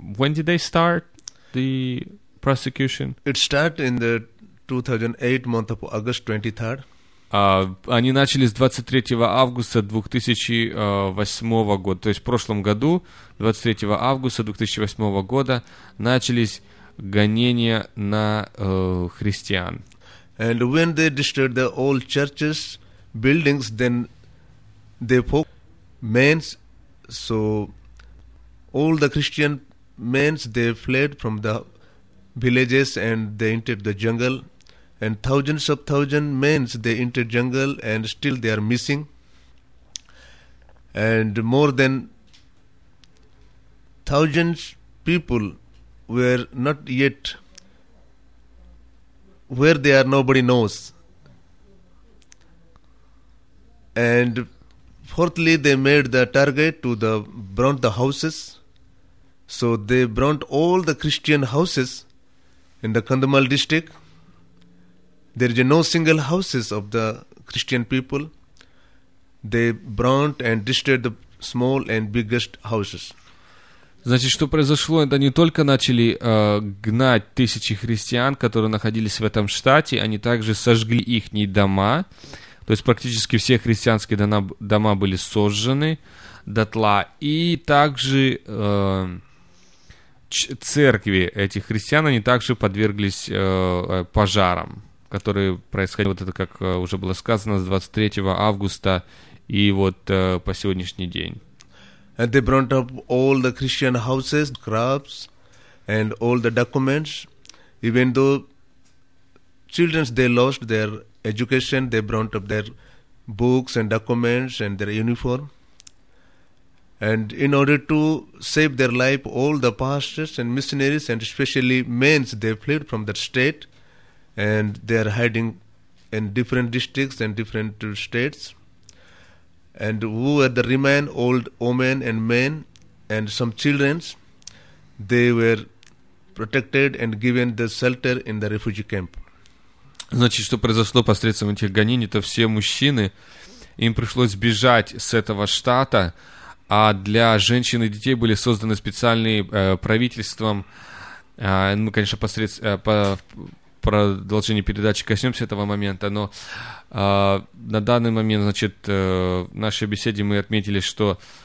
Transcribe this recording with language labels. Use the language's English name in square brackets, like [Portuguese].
[English] When did they start the prosecution? It started in the 2008 month of August 23rd. [Russian] Они начали с 23 августа 2008 года, то есть в прошлом году, 23 августа 2008 года, начались гонения на христиан. [English] And when they destroyed the old churches, buildings, then they poked men, so all the Christian men, they fled from the villages and they entered the jungle. And thousands of thousands men, they enter jungle and still they are missing. And more than thousands people were not yet where they are, nobody knows. And fourthly, they made the target to the burn the houses. So they burnt all the Christian houses in the Kandamal district. There is no single houses of the Christian people. They burnt and destroyed the small and biggest houses. [Russian] Значит, что произошло? Это не только начали гнать тысячи христиан, которые находились в этом штате, они также сожгли их дома. То есть практически все христианские дома были сожжены дотла. И также церкви этих христиан, они также подверглись пожарам, которые происходили, вот это, как уже было сказано, с 23 августа и вот по сегодняшний день. [English] And they burnt up all the Christian houses, crops, and all the documents. Even though children, they lost their education, they burnt up their books and documents and their uniform. And in order to save their life, all the pastors and missionaries, and especially men, they fled from that state. And they are hiding in different districts and different states. and who were the remain old women and men and some children, they were protected and given the shelter in the refugee camp. [Russian] Значит, что произошло посредством этих гонений, то все мужчины, им пришлось бежать с этого штата, а для женщин и детей были созданы специальные правительством, мы, конечно, посредством, продолжение передачи коснемся этого момента, но на данный момент, значит, в нашей беседе мы отметили, что